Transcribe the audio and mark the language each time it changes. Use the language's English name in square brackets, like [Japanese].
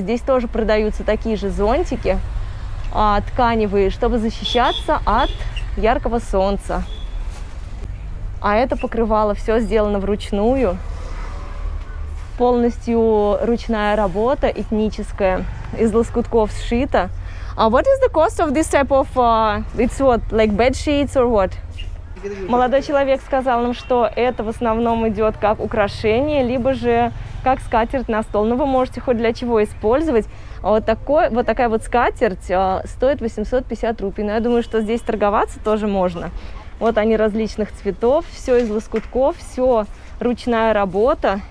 [Russian] Здесь тоже продаются такие же зонтики, тканевые, чтобы защищаться от яркого солнца. А это покрывало все сделано вручную. Полностью ручная работа, этническая, из лоскутков сшита. [English] What is the cost of this type of... it's what, like bed sheets or what? [Russian] Молодой человек сказал нам, что это в основном идет как украшение, либо же как скатерть на стол. Но вы можете хоть для чего использовать. Вот такая вот скатерть стоит 850 рупий. Но я думаю, что здесь торговаться тоже можно. Вот они различных цветов, все из лоскутков, все ручная работа.